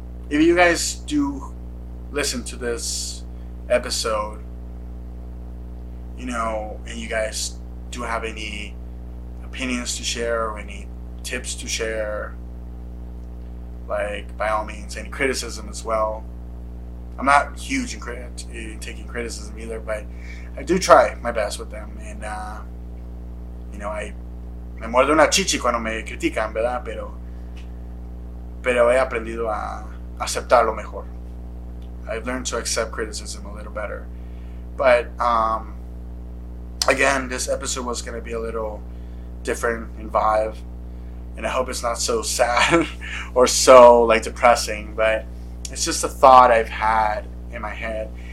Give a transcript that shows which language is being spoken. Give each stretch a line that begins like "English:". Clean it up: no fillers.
English: If you guys do listen to this episode, you know, and you guys do have any opinions to share or any tips to share, like, by all means, any criticism as well. I'm not huge in taking criticism either, but I do try my best with them. And, you know,
Spanish: me muerdo una chichi cuando me critican, ¿verdad? Pero he aprendido a aceptarlo mejor.
English: I've learned to accept criticism a little better. But, again, this episode was going to be a little different in vibe. And I hope it's not so sad or so, like, depressing. But it's just a thought I've had in my head.